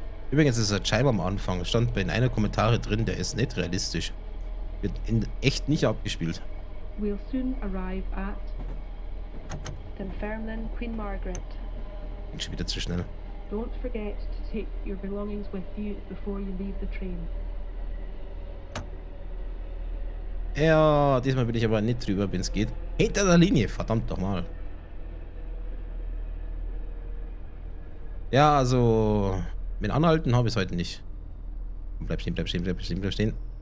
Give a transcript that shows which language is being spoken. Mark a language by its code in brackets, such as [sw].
[de] Übrigens ist der Scheibe am Anfang. Stand bei einer Kommentare drin, der ist nicht realistisch. Wird in echt nicht abgespielt. [en] We'll soon arrive at Dunfermline Queen Margaret. [de] Bin schon wieder zu schnell. [en] Don't forget to take your belongings with you before you leave the train. [de] Ja, diesmal bin ich aber nicht drüber, wenn es geht. Hinter der Linie, verdammt doch mal. Ja, also mit Anhalten habe ich es heute nicht. Bleib stehen, bleib stehen, bleib stehen, bleib stehen.